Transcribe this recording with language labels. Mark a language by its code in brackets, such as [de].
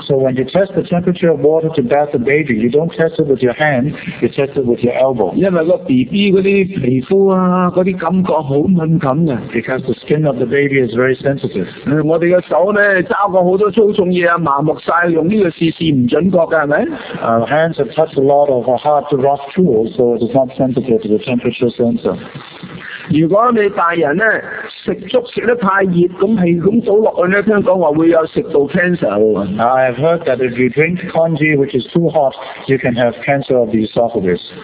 [en] so when you test the temperature of water to bath the baby, you don't test it with your hand, you test it with your elbow. [zh] 因為寶寶的皮膚,那些感覺很敏感的, [en] because the skin of the baby is very sensitive. [zh] 我們的手呢,抓過很多粗重的東西,麻木了,用這個試試不準確的,是不是? [en] Our hands have touched a lot of hard to rough tools, so it is not sensitive to the temperature sensor. [zh] 如果你大人呢,食粥吃得太熱,不斷倒下去,聽說會有食道癌症的。 [en] I have heard that if you drink congee, which is too hot, you can have cancer of the esophagus.